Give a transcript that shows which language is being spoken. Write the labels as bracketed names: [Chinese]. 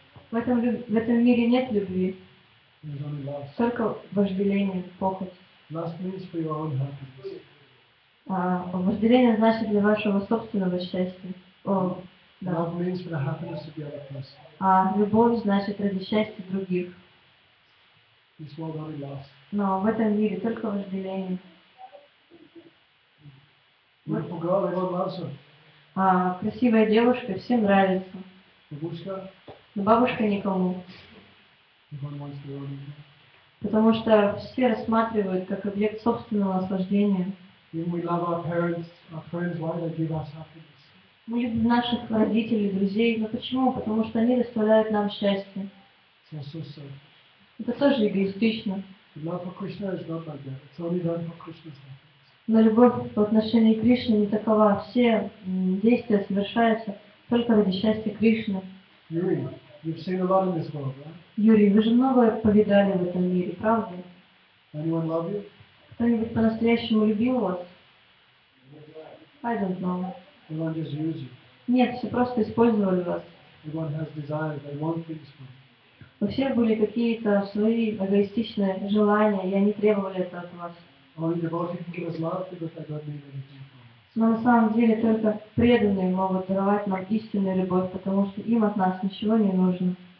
[Russian] В этом мире нет любви. Только вожделение, похоть. [English] Lust means for your own happiness. [Russian] Вожделение значит для вашего собственного счастья. [English] Love means for the happiness of the other person. [Russian] А любовь значит ради счастья других. [English] This world only lust. [Russian] Но в этом мире только вожделение. [English] Beautiful girl, everyone loves her. [Russian] Красивая девушка, всем нравится. Бабушка? Но бабушка никому. [English] Everyone wants their own. [Russian] Потому что все рассматривают как объект собственного наслаждения. [English] If we love our parents, our friends, why they give us happiness? [Russian] Мы любим наших родителей, друзей, но почему? Потому что они доставляют нам счастье. Это тоже эгоистично. [English] Love for Krishna is not like that. It's only done for Krishna's happiness. [Russian] Но любовь по отношению к Кришне не такова. Все действия совершаются только ради счастья Кришны. [English] Юрий, you've seen a lot in this world, right? [Russian] Юрий, вы же многое повидали в этом мире, правда? [English] Anyone love you? [Russian] Кто-нибудь по-настоящему любил вас? [English] I don't know. Everyone just use you. [Russian] Нет, все просто использовали вас. [English] Everyone has desires, they want things from you. [Russian] У всех были какие-то свои эгоистичные желания, и они требовали это от вас. [English] Only devotees can give us love because they don't need anything. [Russian] Но на самом деле только преданные могут даровать нам истинную любовь, потому что им от нас ничего не нужно.